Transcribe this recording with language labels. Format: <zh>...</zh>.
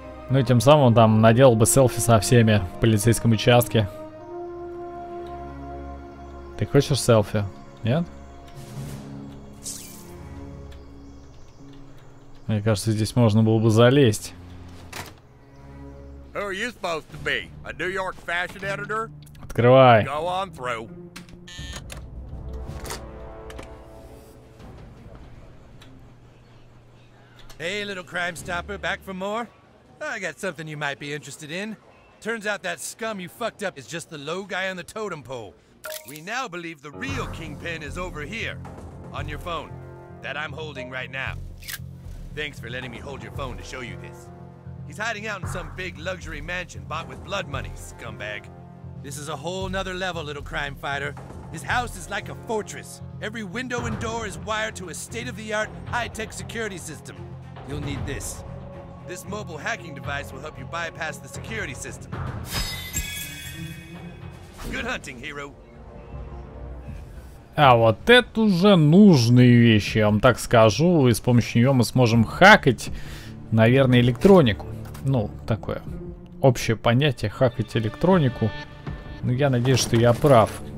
<ru>Ну и тем самым он там наделал бы селфи со всеми в полицейском участке. Ты хочешь селфи? Нет? Мне кажется, здесь можно было бы залезть.</ru> <en>Who are you supposed to be? A New York fashion editor?</en> <ru>Открывай.</ru> <en>Go on through. Hey, little crime stopper, back for more? I got something you might be interested in. Turns out that scum you fucked up is just the low guy on the totem pole. We now believe the real kingpin is over here, on your phone, that I'm holding right now. Thanks for letting me hold your phone to show you this. He's hiding out in some big luxury mansion bought with blood money, scumbag. This is a whole nother level, little crime fighter. His house is like a fortress. Every window and door is wired to a state-of-the-art, high-tech security system. You'll need this. This mobile hacking device will help you bypass the security system. Good hunting, hero.</en> <ru>А вот это уже нужные вещи, я вам так скажу. И с помощью нее мы сможем хакать, наверное, электронику. Ну, такое общее понятие — хакать электронику. Но я надеюсь, что я прав.</ru>